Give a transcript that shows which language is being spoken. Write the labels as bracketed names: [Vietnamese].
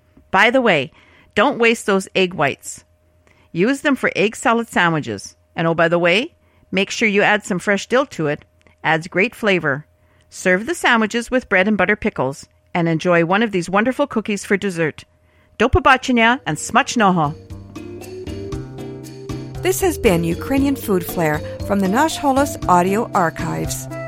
[English] By the way, don't waste those egg whites. Use them for egg salad sandwiches. And oh, by the way, make sure you add some fresh dill to it. Adds great flavor. Serve the sandwiches with bread and butter pickles and enjoy one of these wonderful cookies for dessert. [Ukrainian] До побачення and смачного! [English] This has been Ukrainian Food Flair from the Nash Holos Audio Archives.